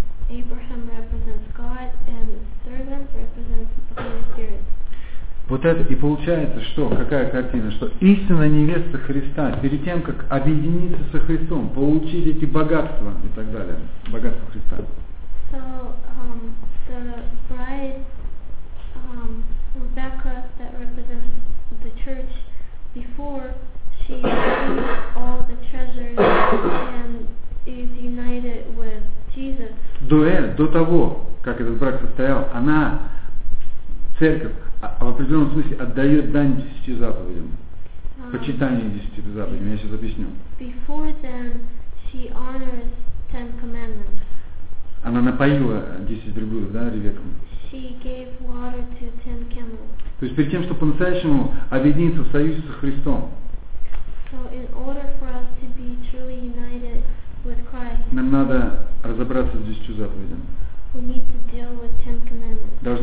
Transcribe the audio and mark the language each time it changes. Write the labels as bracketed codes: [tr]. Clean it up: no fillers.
[en] Abraham represents God, and servant represents the Holy Spirit. [ru] Вот это и получается, что, какая картина, что истинная невеста Христа, перед тем, как объединиться со Христом, получить эти богатства и так далее, богатство Христа. [en] So, the bride, Rebecca, that represents the church, before she received all the treasures and is united with Jesus. [ru] До того, как этот брак состоял, она, церковь, в определенном смысле отдает дань десяти заповедям. Почитание десяти заповедям, я сейчас объясню. [en] Before then, she honors Ten Commandments. [ru] Она напоила 10 верблюдов, да, Ревеком? [en] She gave water to 10 camels. [ru] То есть перед тем, чтобы по-настоящему объединиться в союзе со Христом. [en] So in order for us to be truly united with Christ, [ru] нам надо разобраться с 10 заповедями. [en] We need to deal with 10 commandments.